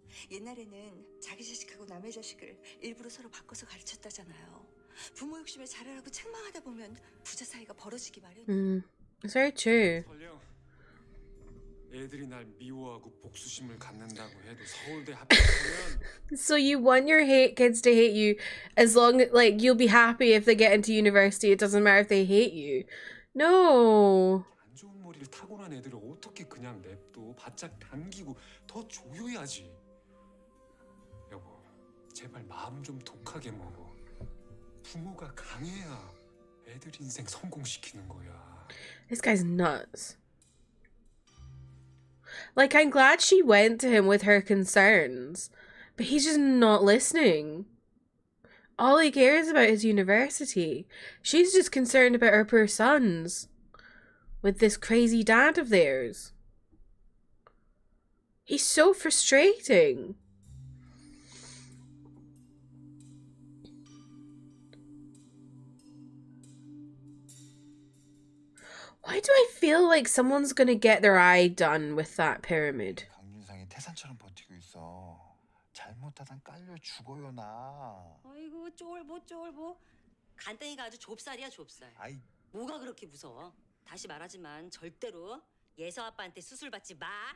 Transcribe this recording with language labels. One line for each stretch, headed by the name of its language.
Korean: 옛날에는 자기 자식하고 남의 자식을 일부러 서로 바꿔서 가르쳤다잖아요. 부모 욕심에 잘하라고 책망하다 보면 부자 사이가 벌어지기 마련이야.
English: It's very true.
Korean: 설령 애들이 날 미워하고 복수심을 갖는다고 해도 서울대 합격하면.
English: So you want your hate kids to hate you, as long like you'll be happy if they get into university. It doesn't matter if they hate you. No.
Korean: 안 좋은 머리를 타고난 애들을 어떻게 그냥 냅둬? 바짝 당기고 더 조여야지. 여보, 제발 마음 좀 독하게 먹어. 부모가 강해야 애들 인생 성공시키는 거야.
English: This guy's nuts. Like, I'm glad she went to him with her concerns, but he's just not listening. All he cares about is university. She's just concerned about her poor sons with this crazy dad of theirs. He's so frustrating. Why do I feel like someone's gonna get their eye done with that pyramid?
Korean: 강윤상이 태산처럼 버티고 있어. 잘못하단 깔려 죽어요 나. 아이고 쫄보 쫄보. 간땡이가 아주 좁쌀이야 좁쌀. 아이. 뭐가 그렇게 무서워? 다시 말하지만 절대로 예서 아빠한테 수술 받지 마.